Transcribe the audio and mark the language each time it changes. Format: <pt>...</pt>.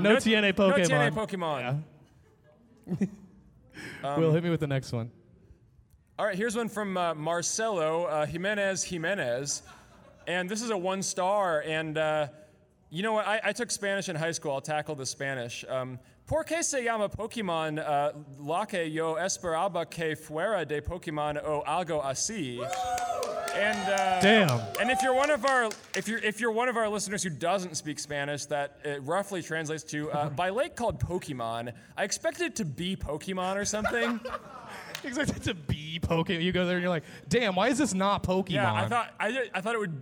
<en>No TNA Pokemon. Yeah. Will, hit me with the next one. All right, here's one from Marcelo Jimenez. And this is a 1 star. And you know what? I took Spanish in high school. I'll tackle the Spanish.</en> <es>Por qué se llama Pokémon la que yo esperaba que fuera de Pokémon o algo así?</es> <en>And damn. And if you're one of our listeners who doesn't speak Spanish, that it roughly translates to by lake called Pokémon. I expected it to be Pokémon or something. Exactly. It's a bee Pokemon. You go there and you're like, damn, why is this not Pokemon? Yeah, I thought it would.</en>